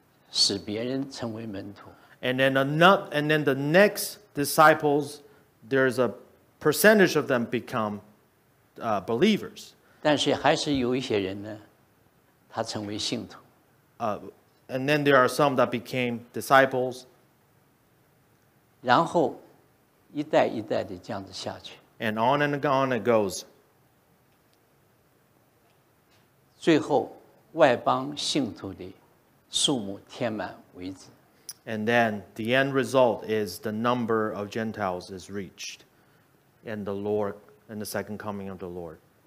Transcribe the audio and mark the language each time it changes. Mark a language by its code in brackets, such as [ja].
[zh] 然后呢,这个门徒呢,又使别人成为门徒。 [en] And then the next disciples, there's a percentage of them become believers. [zh] 但是还是有一些人呢,他成为信徒。 [en] And then there are some that became disciples. [zh] 然后,一代一代地这样子下去。 [en] And on it goes. [zh] 最后,外邦信徒的数目填满为止。 [en] And then the end result is the number of Gentiles is reached and the Lord and the second coming of the Lord.